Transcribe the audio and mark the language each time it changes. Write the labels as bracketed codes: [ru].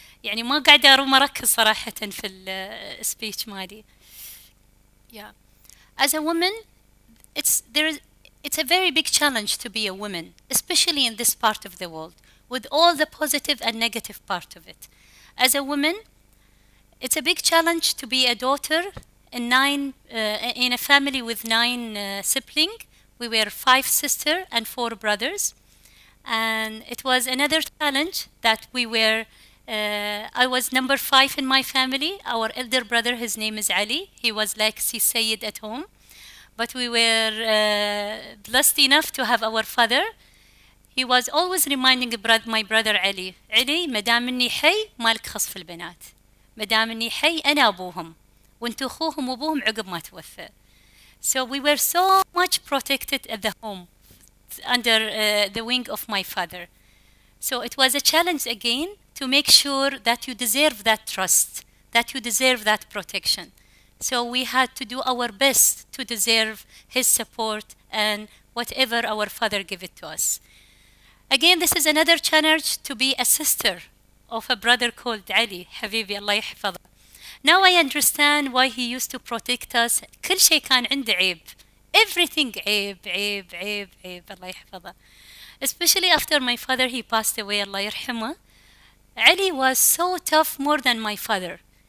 [ar] يعني ما قاعدة أروم أركز صراحة في السبيتش مالي. [en] Yeah. As a woman, it's a very big challenge to be a woman, especially in this part of the world, with all the positive and negative part of it. As a woman, it's a big challenge to be a daughter in a family with 9 siblings. We were 5 sisters and 4 brothers. And it was another challenge that we were, I was number 5 in my family. Our elder brother, his name is Ali. He was like Sayed at home. But we were blessed enough to have our father. He was always reminding my brother Ali, Ali, [ar] مدام إني حي مالك خص في البنات. مدام إني حي أنا أبوهم. وانتو أخوهم وأبوهم عقب ما توفى. [en] So we were so much protected at the home under the wing of my father. So it was a challenge again to make sure that you deserve that trust, that you deserve that protection. So we had to do our best to deserve his support and whatever our father gave it to us. Again, this is another challenge to be a sister of a brother called Ali, Habibi, [ar] Allah Yahfadha. [en] Now I understand why he used to protect us. [ar] كل شيء كان عنده عيب. Everything عيب, عيب, عيب, عيب, Allah Yahfadha. [en] Especially after my father, he passed away, [ar] Allah Yarhamah. [en] Ali was so tough, more than my father.